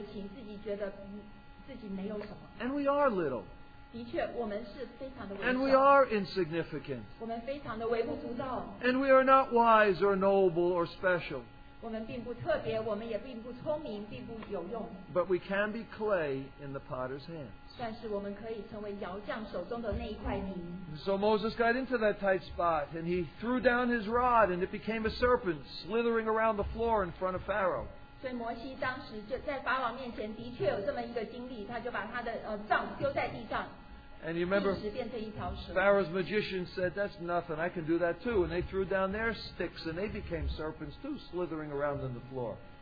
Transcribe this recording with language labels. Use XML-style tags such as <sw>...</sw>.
<zh>有些人他们很有潜力可以成为一个有用的器皿，但是他们一生都是觉得自己很难为情，自己觉得自己没有什么。</zh> <en>And we are little.</en> <zh>的确，我们是非常的微小。</zh> <en>And we are insignificant.</en> <zh>我们非常的微不足道。</zh> <en>And we are not wise or noble or special.</en> <zh>我们并不特别，我们也并不聪明，并不有用。</zh> <en>But we can be clay in the potter's hand.</en> <zh>但是我们可以成为窑匠手中的那一块泥。</zh> <en>So Moses got into that tight spot, and he threw down his rod, and it became a serpent slithering around the floor in front of Pharaoh.</en> <zh>所以摩西当时就在法老面前的确有这么一个经历，他就把他的杖丢在地上。</zh> <en>And you remember, Pharaoh's magician said, that's nothing, I can do that too. And they threw down their sticks and they became serpents too, slithering around on the floor.</en>